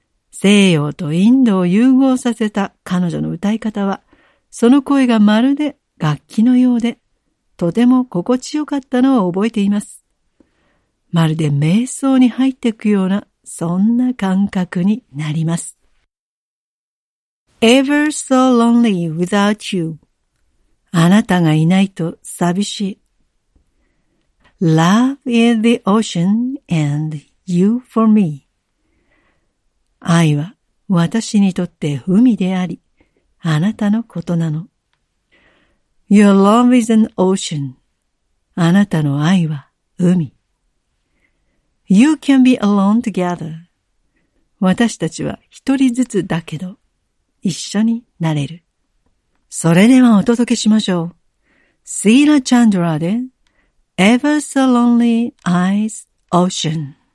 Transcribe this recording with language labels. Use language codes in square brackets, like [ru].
[ja] 西洋とインドを融合させた彼女の歌い方は、その声がまるで楽器のようで、とても心地よかったのを覚えています。まるで瞑想に入っていくような、そんな感覚になります。 [en] Ever so lonely without you. [ja] あなたがいないと寂しい。 [en] Love is the ocean and you for me. [ja] 愛は私にとって海であり、あなたのことなの。 [en] Your love is an ocean. [ja] あなたの愛は海。 [en] You can be alone together. [ja] 私たちは一人ずつだけど、一緒になれる。それではお届けしましょう。シーラ・チャンドラで、Ever so lonely eyes ocean.